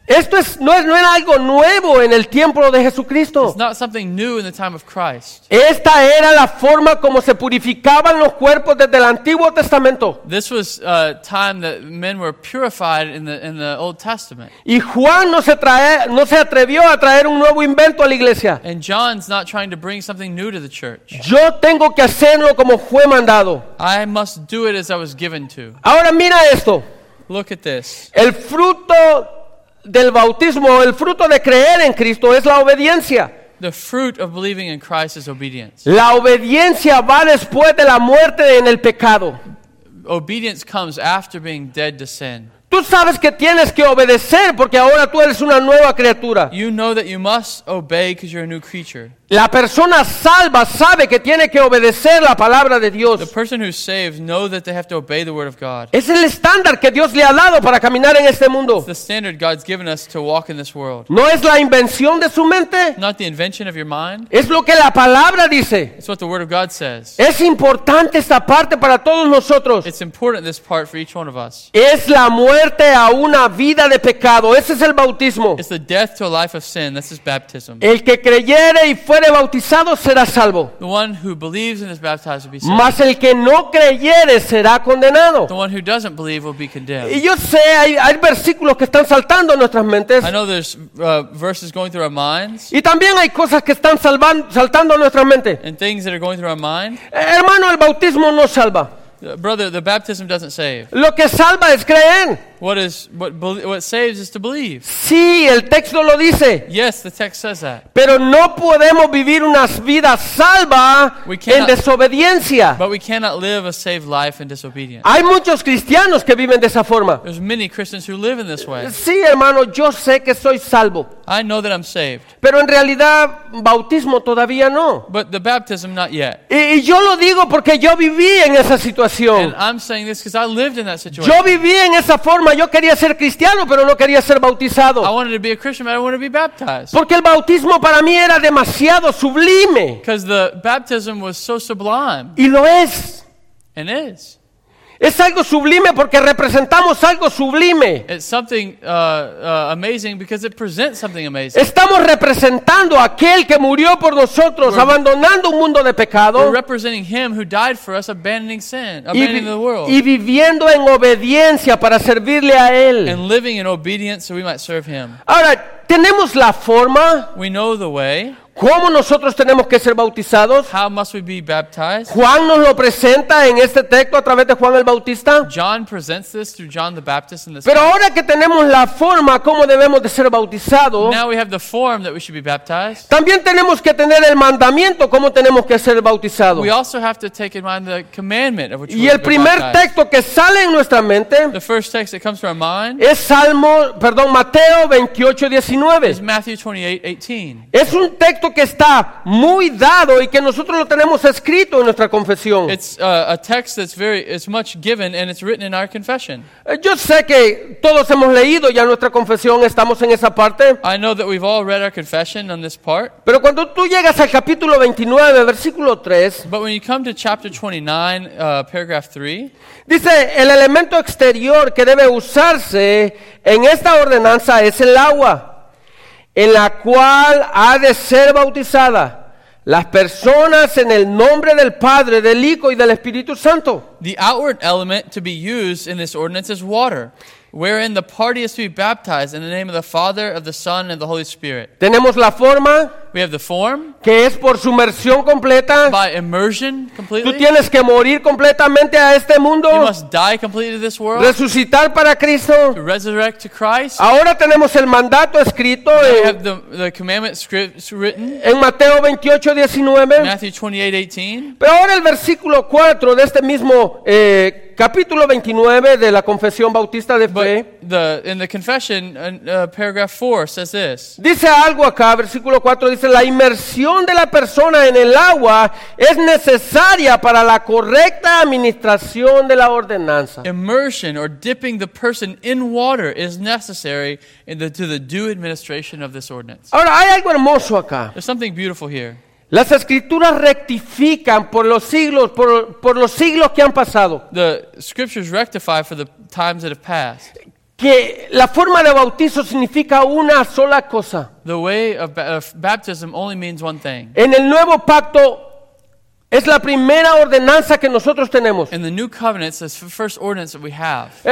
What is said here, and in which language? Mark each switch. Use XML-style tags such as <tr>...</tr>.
<es>Esto es, no era algo nuevo en el tiempo de Jesucristo.</es> <en>It's not something new in the time of Christ.</en> <es>Esta era la forma como se purificaban los cuerpos desde el Antiguo Testamento.</es> <en>This was a time that men were purified in the Old Testament.</en> <es>Y Juan no se atrevió a traer un nuevo invento a la iglesia.</es> <en>And John's not trying to bring something new to the church.</en> <es>Yo tengo que hacerlo como fue mandado.</es> <en>I must do it as I was given to.</en> <es>Ahora mira esto.</es> <en>Look at this.</en> <es>El fruto del bautismo, el fruto de creer en Cristo es la obediencia.</es> <en>The fruit of believing in Christ is obedience.</en> <es>La obediencia va después de la muerte en el pecado.</es> <en>Obedience comes after being dead to sin.</en> <es>Tú sabes que tienes que obedecer porque ahora tú eres una nueva criatura.</es> <en>You know that you must obey because you're a new creature.</en> <es>La persona salva sabe que tiene que obedecer la palabra de Dios.</es> <en>The person who's saved know that they have to obey the word of God.</en> <es>Es el estándar que Dios le ha dado para caminar en este mundo.</es> <en>It's the standard God's given us to walk in this world.</en> <es>No es la invención de su mente.</es> <en>Not the invention of your mind.</en> <es>Es lo que la palabra dice.</es> <en>It's what the word of God says.</en> <es>Es importante esta parte para todos nosotros.</es> <en>It's important this part for each one of us.</en> <es>Es la muerte a una vida de pecado. Ese es el bautismo.</es> <en>It's the death to a life of sin. This is baptism.</en> <es>El que creyere y fuere bautizado será salvo.</es> <en>The one who believes and is baptized will be saved.</en> <es>Mas el que no creyere será condenado.</es> <en>The one who doesn't believe will be condemned.</en> <es>Y yo sé, hay versículos que están saltando en nuestras mentes.</es> <en>I know there's verses going through our minds.</en> <es>Y también hay cosas que están saltando en nuestras mentes.</es> <en>And things that are going through our mind.</en> <es>Hermano, el bautismo no salva.</es> <en>Brother, the baptism doesn't save.</en> <es>Lo que salva es creer.</es> <en>What saves is to believe.</en> <es>Sí, el texto lo dice.</es> <en>Yes, the text says that.</en> <es>Pero no podemos vivir una vida salva en desobediencia.</es> <en>But we cannot live a saved life in disobedience.</en> <es>Hay muchos cristianos que viven de esa forma.</es> <en>There's many Christians who live in this way.</en> <es>Sí, hermano, yo sé que soy salvo.</es> <en>I know that I'm saved.</en> <es>Pero en realidad, bautismo todavía no.</es> <en>But the baptism not yet.</en> <es>Y yo lo digo porque yo viví en esa situación.</es> <en>And I'm saying this because I lived in that situation.</en> <es>Yo viví en esa forma. Yo quería ser cristiano, pero no quería ser bautizado.</es> <en>I wanted to be a Christian, but I wanted to be baptized.</en> <es>Porque el bautismo para mí era demasiado sublime.</es> <en>Because the baptism was so sublime.</en> <es>Y lo es.</es> <en>And is.</en> <es>Es algo sublime porque representamos algo sublime.</es> <en>It's something amazing because it presents something amazing.</en> <es>Estamos representando a aquel que murió por nosotros,</es> <en>we're,</en> <es>abandonando un mundo de pecado.</es> <en>We're representing him who died for us, abandoning sin, abandoning the world.</en> <es>Y viviendo en obediencia para servirle a él.</es> <en>And living in obedience so we might serve him.</en> <es>Ahora, tenemos la forma.</es> <en>We know the way.</en> <es>¿Cómo nosotros tenemos que ser bautizados?</es> <en>How must we be baptized?</en> <es>Juan nos lo presenta en este texto a través de Juan el Bautista.</es> <en>John presents this through John the Baptist in this.</en> <es>Pero ahora que tenemos la forma cómo debemos de ser bautizados.</es> <en>Now we have the form that we should be baptized.</en> <es>También tenemos que tener el mandamiento cómo tenemos que ser bautizados.</es> <en>We also have to take in mind the commandment of which</en> <es>y el primer texto que sale en nuestra mente.</es> <en>The first text that comes to our mind.</en> <es>Es Mateo 28:19.</es> <en>Is Matthew 28:18.</en> <es>Es un texto que está muy dado y que nosotros lo tenemos escrito en nuestra confesión.</es> <en>It's a text that's very, it's much given and it's written in our confession.</en> <es>Yo sé que todos hemos leído ya nuestra confesión, estamos en esa parte.</es> <en>I know that we've all read our confession on this part.</en> <es>Pero cuando tú llegas al capítulo 29, versículo 3,</es> <en>but when you come to chapter 29, paragraph 3,</en> <es>dice el elemento exterior que debe usarse en esta ordenanza es el agua. En la cual ha de ser bautizada las personas en el nombre del Padre, del Hijo y del Espíritu Santo.</es> <en>The outward element to be used in this ordinance is water, wherein the party is to be baptized in the name of the Father, of the Son, and the Holy Spirit.</en> <es>Tenemos la forma.</es> <en>We have the form.</en> <es>Que es por sumersión completa.</es> <en>By immersion completely.</en> <es>Tú tienes que morir completamente a este mundo.</es> <en>You must die completely to this world.</en> <es>Resucitar para Cristo.</es> <en>To resurrect to Christ.</en> <es>Ahora tenemos el mandato escrito.</es> <en>We have the commandment written.</en> <es>En Mateo 28, 19.</es> <en>Matthew 28, 18.</en> <es>Pero ahora el versículo 4 de este mismo capítulo 29 de la confesión bautista de fe.</es> <en>In the confession, paragraph 4 says this.</en> <es>Dice algo acá, versículo 4 dice, la inmersión de la persona en el agua es necesaria para la correcta administración de la ordenanza.</es> <en>Immersion or dipping the person in water is necessary to the due administration of this ordinance.</en> <es>Ahora, hay algo hermoso acá.</es> <en>There's something beautiful here.</en> <es>Las escrituras rectifican por los siglos que han pasado.</es> <en>The scriptures rectify for the times that have passed.</en> <es>Que la forma de bautizo significa una sola cosa.</es> <en>The way of baptism only means one thing.</en> <es>En el nuevo pacto es la primera ordenanza que nosotros tenemos.</es> <en>In the new covenant it's the first ordinance that we have.</en>